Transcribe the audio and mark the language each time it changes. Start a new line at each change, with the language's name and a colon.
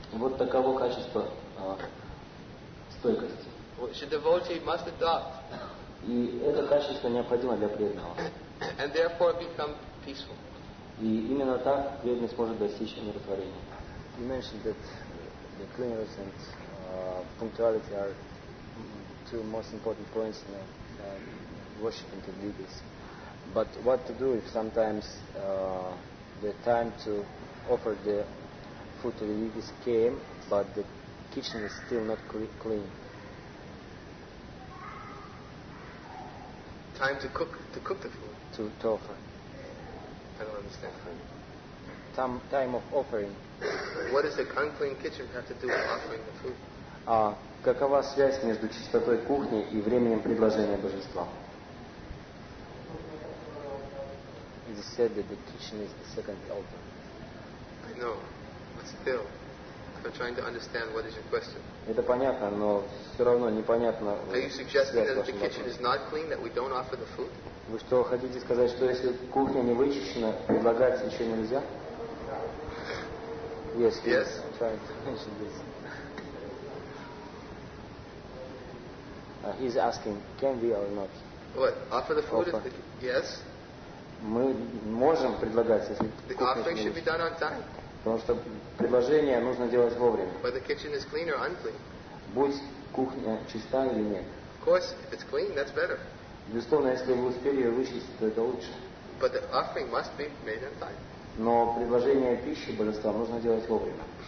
Russian: Вот таково качество стойкости.
English: Which a devotee must adopt.
Russian: И это качество необходимо для преданного.
English: And therefore become peaceful.
Russian: И именно так преданный сможет достичь умиротворения.
English: You mentioned that the cleanliness and punctuality are two most important points in worshiping the deities. But what to do if sometimes the time to offer the food to the deities came, but the kitchen is still not clean? Time to cook the food? To offer. I don't understand. Time of offering. What does the unclean kitchen have to do with offering the food?
Russian: Какова связь между чистотой кухни и временем предложения божества?
English: It is said that the kitchen is the second altar. I know, but still, I'm trying to understand what is your question.
Russian: Это понятно, но все равно непонятно.
English: Are you suggesting that the kitchen is not clean, that we don't offer the food?
Russian: Вы что хотите сказать, что если кухня не вычищена, предлагать еще нельзя?
English: Yes. Yes. Trying to mention this. He's asking, can we or not? What? Offer the food? Offer. Yes.
Russian: Мы можем предлагать, если кухня не вычищена. Потому что предложение нужно делать вовремя.
English: But the kitchen is clean or unclean.
Russian: Будь кухня чиста или нет.
English: Of course, if it's clean, that's better.
Russian: Безусловно, если вы успели ее вычистить, то это лучше.
English: But the offering must be made on time.
Russian: Но предложение пищи божества нужно делать вовремя.